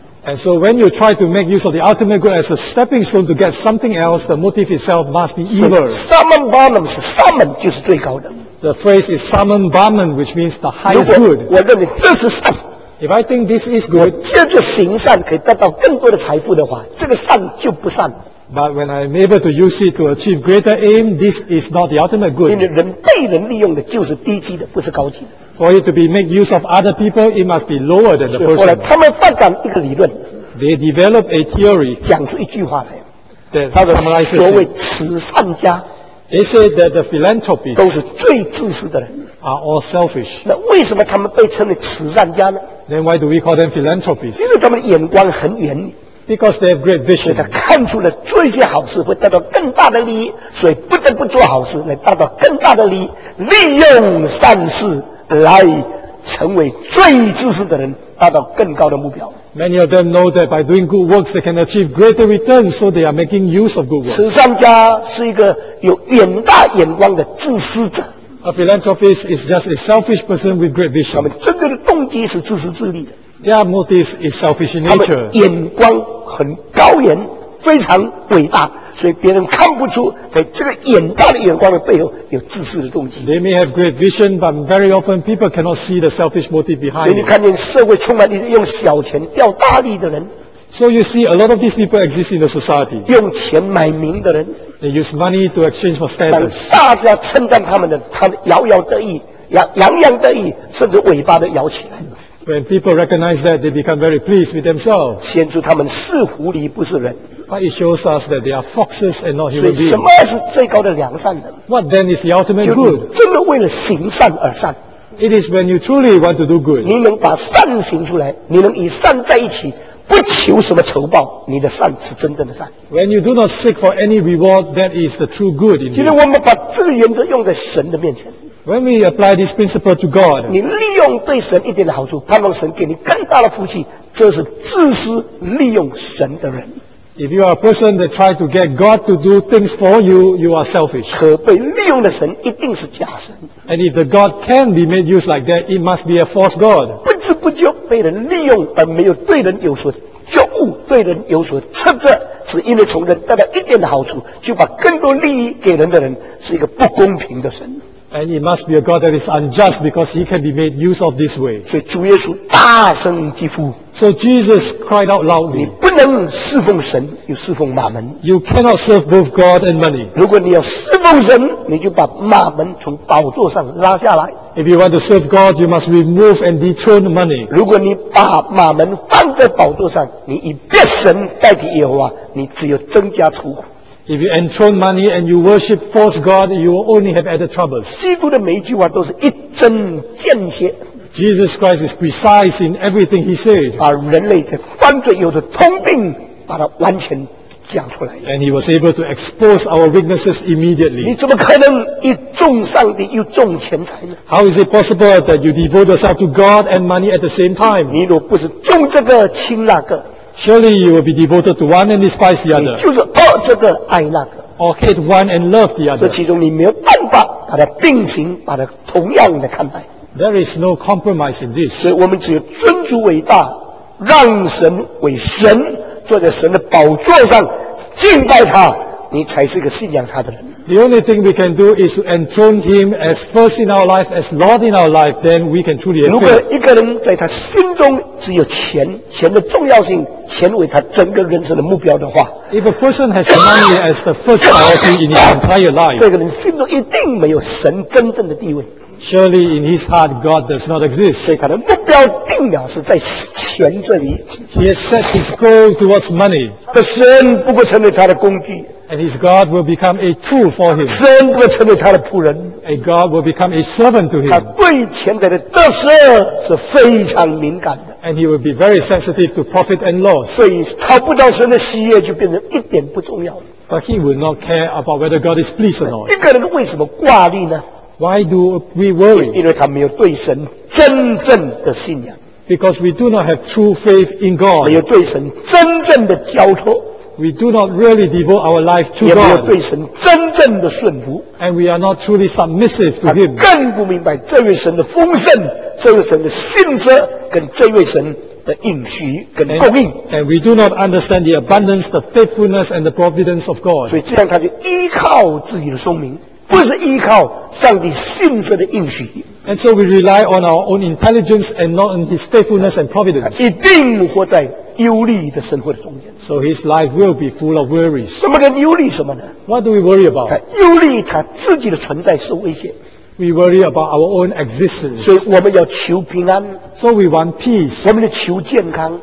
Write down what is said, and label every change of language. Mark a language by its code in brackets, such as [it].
[en] And so when you try to make use of the ultimate good as a stepping stone to get something else, the motive itself must be evil. [zh] Salmon Barnum 是 Salmon 就是最高的。 [en] The phrase is Salmon Barnum, which means the highest good. [zh] 我认为这是善。 [en] If I think this is good, [zh] 我借着行善可以得到更多的财富的话，这个善就不善。 [en] But when I am able to use it to achieve greater aim, this is not the ultimate good. [zh] 因为人被人利用的就是低级的，不是高级的。 [en] For it to be make use of other people, it must be lower than the person. [zh] 后来他们发展一个理论。 [en] They develop a theory. [zh] 讲出一句话来。他说所谓慈善家。 [en] They say that the philanthropists [zh] 都是最自私的人。 [en] Are all selfish. [zh] 那为什么他们被称为慈善家呢？ [en] Then why do we call them philanthropists? [zh] 因为他们眼光很远。 [en] Because they have great vision. [zh] 所以他看出了做一些好事会得到更大的利益，所以不得不做好事来达到更大的利益，利用善事来成为最自私的人，达到更高的目标。 [en] Many of them know that by doing good works, they can achieve greater returns, so they are making use of good works. [zh] 慈善家是一个有远大眼光的自私者。 [en] A philanthropist is just a selfish person with great vision. [zh] 他们真正的动机是自私自利的。 [en] Their motive is selfish in nature. [zh] 他们眼光很高远，非常伟大，所以别人看不出在这个眼大的眼光的背后有自私的动机。 [en] They may have great vision, but very often people cannot see the selfish motive behind. [zh] 所以你看见社会充满的用小钱钓大利的人。 [en] So you see a lot of these people exist in the society. [zh] 用钱买名的人。 [en] They use money to exchange for status. [zh] 当大家称赞他们的，他们摇摇得意，洋洋得意，甚至尾巴都摇起来。 [en] When people recognize that, they become very pleased with themselves. [zh] 显出他们是狐狸，不是人。 [en] But it shows us that they are foxes and not human beings. [zh] 所以什么是最高的良善呢？ [en] What then is the ultimate good? [zh] 就你真的为了行善而善。 [en] It is when you truly want to do good. [zh] 你能把善行出来，你能以善在一起，不求什么酬报，你的善是真正的善。 [en] When you do not seek for any reward, that is the true good in you. [zh] 今天我们把这个原则用在神的面前。 [en] When we apply this principle to God, [zh] 你利用对神一点的好处，盼望神给你更大的福气，这是自私利用神的人。 [en] If you are a person that tries to get God to do things for you, you are selfish. [zh] 可被利用的神一定是假神。 [en] And if the God can be made use like that, it must be a false God. [zh] 不知不觉被人利用，而没有对人有所觉悟，对人有所斥责，只因为从人得到一点的好处，就把更多利益给人的人，是一个不公平的神。 [en] And it must be a God that is unjust because he can be made use of this way. [zh] 所以主耶稣大声疾呼。 [en] So Jesus cried out loudly. [zh] 你不能侍奉神又侍奉马门。 [en] You cannot serve both God and money. [zh] 如果你要侍奉神，你就把马门从宝座上拉下来。 [en] If you want to serve God, you must remove and dethrone money. [zh] 如果你把马门放在宝座上，你以别神代替耶和华，你只有增加愁苦。 [en] If you enthrone money and you worship false God, you will only have added troubles. [zh] 基督的每一句话都是一针见血。 [en] Jesus Christ is precise in everything he said. [zh] 把人类的犯罪有的通病把它完全讲出来。 [en] And he was able to expose our weaknesses immediately. [zh] 你怎么可能一重上帝又重钱财呢？ [en] How is it possible that you devote yourself to God and money at the same time? [zh] 你若不是重这个轻那个。 [en] Surely you will be devoted to one and despise the other. [zh] 你就是恶这个爱那个。 [en] Or hate one and love the other. [zh] 这其中你没有办法把它并行，把它同样的看待。 [en] There is no compromise in this. [zh] 所以我们只有尊主伟大，让神为神，坐在神的宝座上敬拜他，你才是一个信仰他的人。 [en] The only thing we can do is to enthrone him as first in our life, as Lord in our life, then we can truly enjoy. [zh] 如果一个人在他心中只有钱，钱的重要性，钱为他整个人生的目标的话， [en] If a person has money as the first priority in his entire life, [zh] 这个人心中一定没有神真正的地位。 [en] Surely in his heart, God does not exist. [zh] 所以他的目标定了是在钱这里。 [en] He has set his goal towards money. [zh] 这神不过成为他的工具。 [en] And his God will become a tool for him. [zh] 神不成为他的仆人。 [en] A God will become a servant to him. [zh] 他对钱财的得失是非常敏感的。 [en] And he will be very sensitive to profit and loss. [zh] 所以讨不到神的喜悦就变成一点不重要。 [en] But he will not care about whether God is pleased or not. [zh] 一个人为什么挂虑呢？ [en] Why do we worry? [zh] 因为他没有对神真正的信仰。 [en] Because we do not have true faith in God. [zh] 没有对神真正的交托。 [en] We do not really devote our life to God. [zh] 也没有对神真正的顺服。 [en] And we are not truly submissive to Him. [zh] 他更不明白这位神的丰盛，这位神的信实，跟这位神的应许跟供应。 [en] And we do not understand the abundance, the faithfulness, and the providence of God. [zh] 所以这样他就依靠自己的聪明，不是依靠上帝信实的应许。 [en] And so we rely on our own intelligence and not on His faithfulness and providence. [zh] 一定活在忧虑的生活的中间。 [en] So his life will be full of worries. [zh] 什么跟忧虑什么呢？ [en] What do we worry about? [zh] 他忧虑他自己的存在受威胁。 [en] We worry about our own existence. [zh] 所以我们要求平安。 [en] So we want peace. [zh] 我们要求健康。